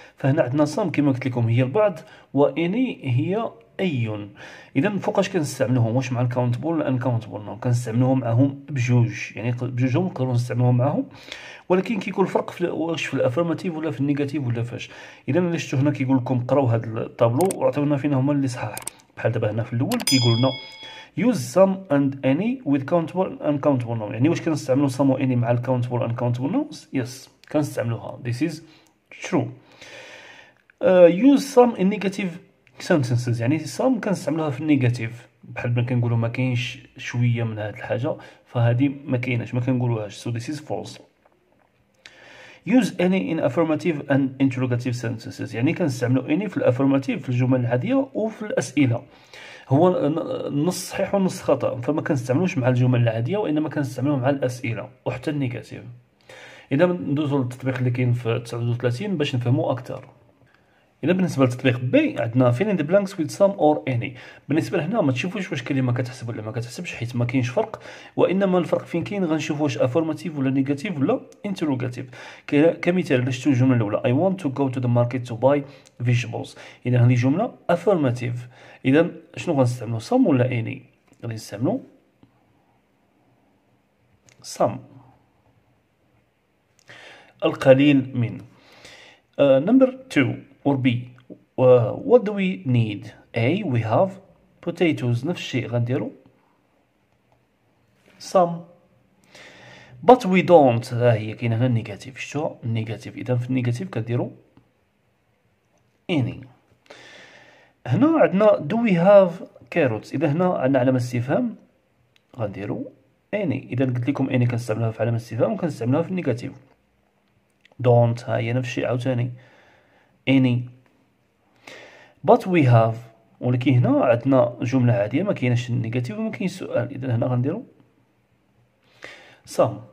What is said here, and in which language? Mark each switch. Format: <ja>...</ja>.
<ar>فهنا عندنا سام كما قلت لكم هي البعض، واني هي ايون. اذا فوقاش كنستعملوهم؟ واش مع الكاونتبل ولا انكاونتبل؟ نو، كنستعملوهم معاهم بجوج، يعني بجوجهم نقدروا نستعملوهم معاهم، ولكن كيكون الفرق في واش في الافرماتيف ولا في النيجاتيف ولا فاش. اذا اللي شفتوا هنا كيقول لكم قراو هذا الطابلو واعطيونا فين هما اللي صحاح. بحال دابا هنا في الاول كيقول لنا</ar> <en>use some and any with countable and uncountable nouns.</en> <ar>يعني واش كنستعملوا some و any مع countable and uncountable nouns؟ yes، كنستعملوها.</ar> <en>this is true. use some in negative sentences.</en> <ar>يعني some كنستعملوها في النيجاتيف، بحال ملي كنقولوا ما كاينش شويه من هذه الحاجه، فهذه ما كايناش، ما كنقولوهاش.</ar> <en>so this is false. use any in affirmative and interrogative sentences.</en> <ar>يعني كنستعملوا any في الافرماتيف في الجمل العاديه وفي الاسئله. هو النص صحيح والنص خطا، فما كنستعملوش مع الجمل العاديه، وانما كنستعملوه مع الاسئله وحتى النيجاتيف. اذا ندوزو للتطبيق اللي كاين في 39 باش نفهموا اكثر. اذا بالنسبه للتطبيق بي، عندنا fill in the blanks with some or any. بالنسبه لهنا ما تشوفوش واش كلمه كتحسب ولا ما كتحسبش، حيت ما كاينش فرق، وانما الفرق فين كاين غنشوفو واش affirmative ولا negative ولا interrogative. كمثال شفتو الجمله الاولى</ar> <en>I want to go to the market to buy vegetables.</en> <ar>اذا هذه جمله affirmative. اذا شنو غنستعملو، some ولا any؟ غادي نستعملو some، القليل من.</ar> <en>Number 2 or B. What do we need? A. We have potatoes.</en> <ar>نفس الشيء غنديرو some.</ar> <en>But we don't.</en> <ar>ها هي كاينه هنا النيجاتيف، شتو النيجاتيف. إذا في النيجاتيف كديرو any. هنا عندنا</ar> <en>do we have carrots.</en> <ar>إذا هنا عندنا علامة استفهام غنديرو any. إذا قلت لكم any كنستعملها في علامة استفهام وكنستعملها في النيجاتيف. don't ها هي نفس الشيء عاوتاني any.</ar> <en>but we have،</en> <ar>ولكن هنا عندنا جمله عاديه ما كايناش النيجاتيف وما كاينش السؤال، اذا هنا غنديروا some.</ar>